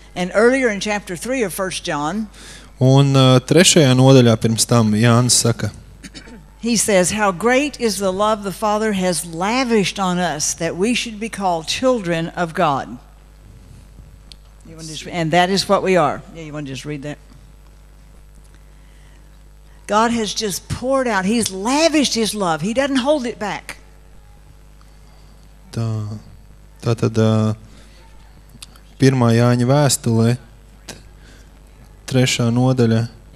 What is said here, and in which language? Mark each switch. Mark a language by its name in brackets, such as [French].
[English] And earlier in chapter 3 of 1 John, [Latvian] un 3. Nodaļā pirms tam Jānis saka, [English] he says, how great is the love the Father has lavished on us that we should be called children of God. And that is what we are. Yeah, you want to just read that? God has just poured out. He's lavished his love. He doesn't hold it back. [Latvian] Tātad pirmā Jāņa vēstulē, trešā nodaļa.